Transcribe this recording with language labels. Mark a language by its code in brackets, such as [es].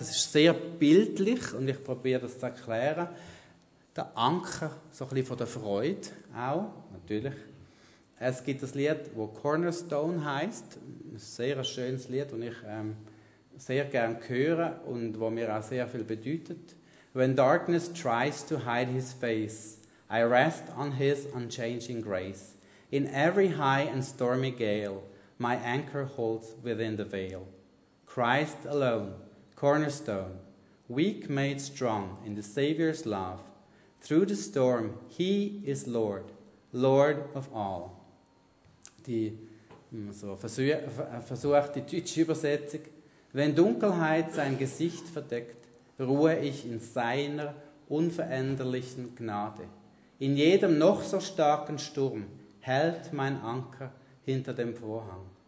[de] Das ist sehr bildlich und ich probiere das zu erklären. Der Anker, so ein bisschen von der Freude auch, natürlich. Es gibt das Lied, das Cornerstone heisst. Ein sehr schönes Lied, das ich sehr gerne höre und das mir auch sehr viel bedeutet. [en] When darkness tries to hide his face, I rest on his unchanging grace. In every high and stormy gale, my anchor holds within the veil. Christ alone, cornerstone, weak made strong in the Savior's love. Through the storm, he is Lord, Lord of all. [de] Versucht die deutsche Übersetzung. Wenn Dunkelheit sein Gesicht verdeckt, ruhe ich in seiner unveränderlichen Gnade. In jedem noch so starken Sturm hält mein Anker hinter dem Vorhang.